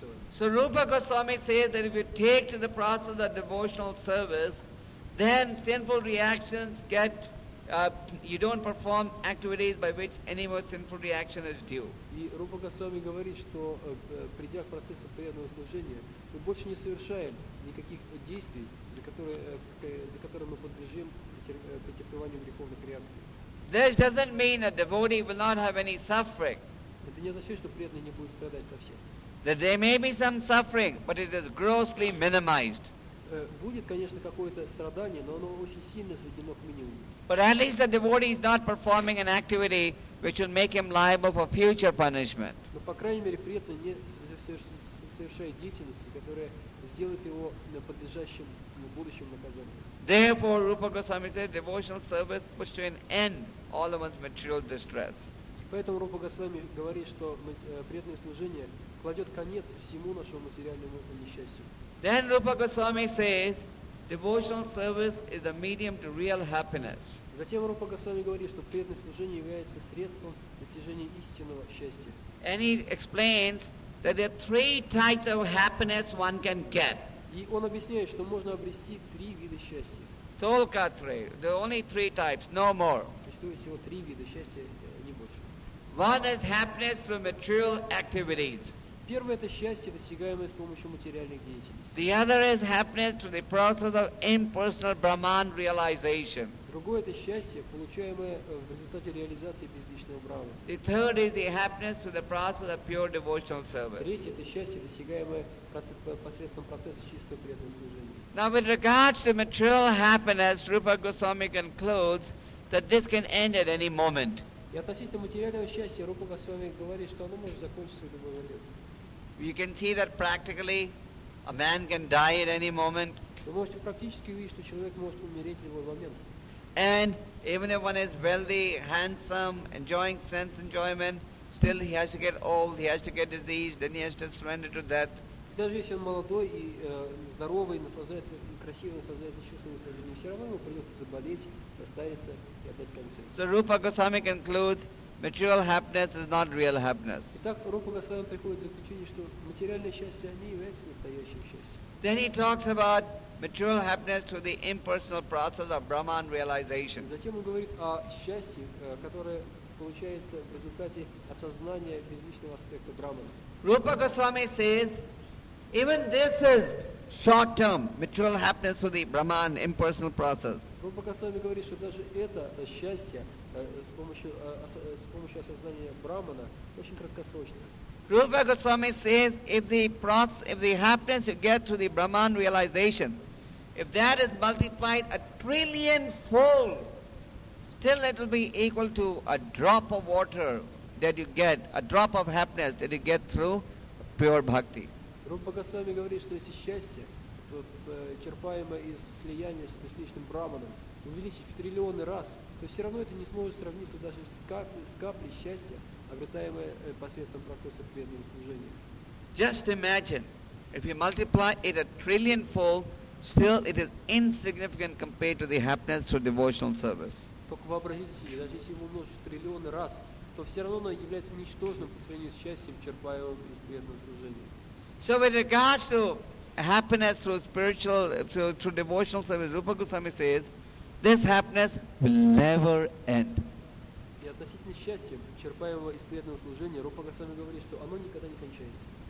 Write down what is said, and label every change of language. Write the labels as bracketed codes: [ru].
[en] So Rupa Goswami says that if you take to the process of devotional service, then sinful reactions get, you don't perform activities by which any more sinful reaction is due. [ru] И Рупа Госвами говорит, что придя к процессу преданного служения, мы больше не совершаем никаких действий, за которые мы подлежим претерпеванию греховных реакций. [en] This doesn't mean that devotee will not have any suffering. [ru] Это не означает, что преданный не будет страдать совсем. [en] That there may be some suffering, but it is grossly minimized. [ru] Будет, конечно, какое-то страдание, но оно очень сильно сведено к минимуму. [en] But at least the devotee is not performing an activity which will make him liable for future punishment. [ru] Но по крайней мере преданный не совершает деятельности, которая сделает его подлежащим будущему наказанию. [en] Therefore, Rupa Goswami says, devotional service puts to an end all of one's material distress. [ru] Поэтому Рупа Госвами говорит, что преданное служение кладет конец всему нашему материальному несчастью. [en] Then Rupa Goswami says, devotional service is the medium to real happiness. [ru] Затем Рупа Госвами говорит, что преданное служение является средством достижения истинного счастья. [en] And he explains that there are three types of happiness one can get. [ru] И он объясняет, что можно обрести три вида счастья. Только [en] three. There are only three types, no more. [ru] Существует всего три вида счастья, не больше. [en] One is happiness from material activities. [ru] Первое – это счастье, достигаемое с помощью материальных деятельностей. [en] The other is happiness through the process of impersonal Brahman realization. [ru] Другое – это счастье, получаемое в результате реализации безличного Брахмана. [en] The third is the happiness through the process of pure devotional service. [ru] Третье – это счастье, достигаемое посредством процесса чистого преданного служения. [en] Now with regards to material happiness, Rupa Goswami concludes that this can end at any moment. [ru] И относительно материального счастья Рупа Госвами говорит, что оно может закончиться в любой момент. [en] You can see that practically a man can die at any moment. [ru] Вы можете практически видеть, что человек может умереть в любой момент. [en] And even if one is wealthy, handsome, enjoying sense enjoyment, still he has to get old, he has to get diseased, then he has to surrender to death. [ru] Даже если он молодой и здоровый, наслаждается чувством наслаждения, все равно ему придется заболеть, остариться и отдать концы. [en] So Rupa Goswami concludes, material happiness is not real happiness. [ru] Итак, Рупа Госвами приходит к заключению, что материальное счастье не является настоящим счастьем. [en] Then he talks about material happiness through the impersonal process of Brahman realization. [ru] Затем он говорит о счастье, которое получается в результате осознания безличного аспекта Брахмана. [en] Rupa Goswami says, even this is short-term material happiness through the Brahman impersonal process. [ru] Рупа Госвами говорит, что даже это счастье с помощью осознания Брахмана очень краткосрочно. [en] Rupa Goswami says, if the happiness you get through the Brahman realization If that is multiplied a trillion fold, still it will be equal to a drop of water that you get, a drop of happiness that you get through pure bhakti. [ru] Rupa Goswami говорит, что если счастье, то черпаемое из слияния с бесличным Браманом, увеличить в триллионы раз, то все равно это не сможет сравниться даже с каплей счастья, обретаемое посредством процесса преданного служения. [en] Just imagine, if you multiply it a trillion fold, still it is insignificant compared to the happiness through devotional service. [ru] Только вообразите себе, даже если его умножить в триллионы раз, то все равно оно является ничтожным по сравнению с счастьем, черпаемым из преданного служения. [en] So with regards to happiness through spiritual, through devotional service, Rupa Goswami says, this happiness will never end. [ru] И относительно счастья, черпаемого из преданного служения, Рупа Госвами говорит, что оно никогда не кончается.